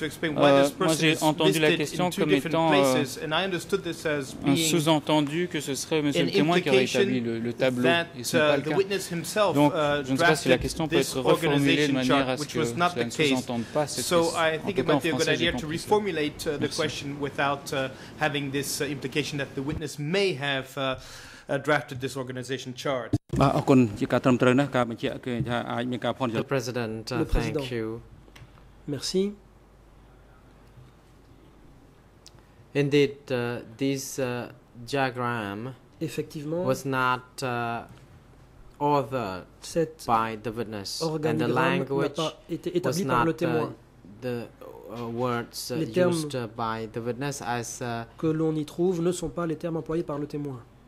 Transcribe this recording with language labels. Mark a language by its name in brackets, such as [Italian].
[French] Moi, j'ai entendu la question comme étant un sous-entendu que ce serait monsieur le témoin qui aurait établi le tableau et ce n'est pas le cas. Donc, je ne sais pas si la question peut être reformulée de manière à ce que cela ne sous-entende pas cette question. [English] To reformulate the question without having this implication that the witness may have drafted this organization chart. The President, thank you. [French] Merci. [English] Indeed, this diagram was not ordered by the witness, and the language was not the words used by the witness as [French] que l'on y trouve ne sont pas les termes employés par le témoin.